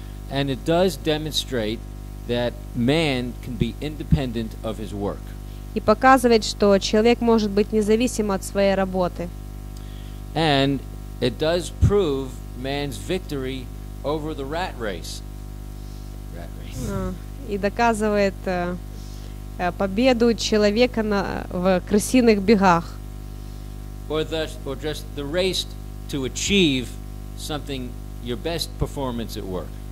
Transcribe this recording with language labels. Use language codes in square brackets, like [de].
[en] And it does demonstrate that man can be independent of his work. [ru] И показывает, что человек может быть независим от своей работы. [en] And it does prove man's victory over the rat race. Rat race. [ru] И доказывает победу человека в крысиных бегах. [en] Or just the race to achieve something, your best performance at work.